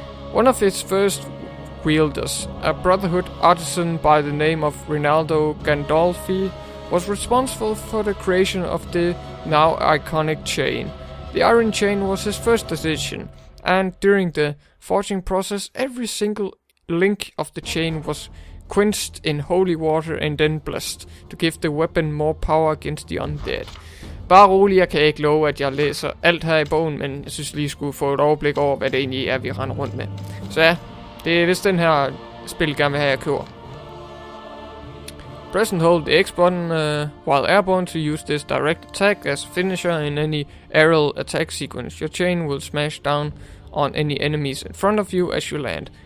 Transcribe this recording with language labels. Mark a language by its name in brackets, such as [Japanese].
[English] One of its first wielders, a Brotherhood artisan by the name of Rinaldo Gandolfi, was responsible for the creation of the now iconic chain. The iron chain was his first decision, and during the forging process, every single link of the chain was quenched in holy water and then blessed to give the weapon more power against the undead. [Danish] Bare rolig, jeg kan ikke love, at jeg læser alt her i bogen, men jeg synes lige, jeg skulle få et overblik over, hvad det egentlig er, vi render rundt med. Så ja, det er vist den her spil, gerne vil have, jeg køber. [English] Press and hold the X button while airborne to use this direct attack as finisher in any aerial attack sequence. Your chain will smash down on any enemies in front of you as you land.